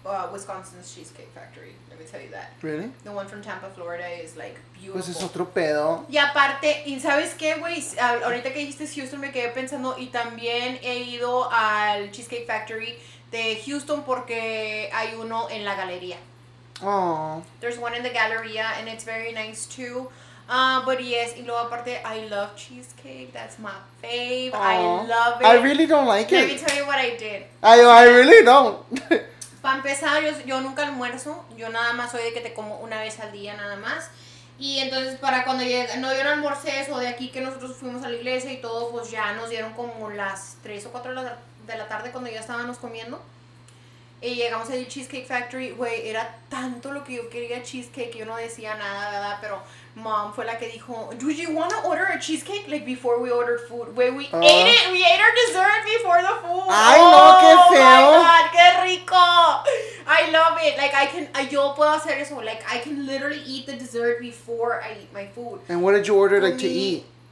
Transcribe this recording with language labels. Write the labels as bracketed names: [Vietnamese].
[English] Wisconsin's Cheesecake Factory, let me tell you that. Really? The one from Tampa, Florida is like beautiful. [Spanish] Pues es otro pedo. Y aparte, ¿y sabes qué, güey? Ahorita que dijiste Houston me quedé pensando y también he ido al Cheesecake Factory de Houston porque hay uno en la galería. [English] Oh. There's one in the Galleria and it's very nice too. But yes, y luego aparte, I love cheesecake, that's my fave. Aww. I love it. I really don't like Let it. Let me tell you what I did. I really don't. [Spanish] Para empezar, yo nunca almuerzo, yo nada más soy de que te como una vez al día nada más. Y entonces para cuando llegué, no, yo no almorcé eso, de aquí que nosotros fuimos a la iglesia y todo, pues ya nos dieron como las 3 o 4 de la tarde cuando ya estábamos comiendo. Y llegamos al Cheesecake Factory, güey, era tanto lo que yo quería cheesecake, yo no decía nada, ¿verdad? Pero mom fue la que dijo, do you want to order a cheesecake? [English] Like, before we ordered food. Güey, we ate our dessert before the food. [Spanish] ¡Ay, no, oh, qué feo! [English] ¡Oh, my God, qué rico! I love it. Like, yo puedo hacer eso. Like, I can literally eat the dessert before I eat my food. And what did you order, like, to eat?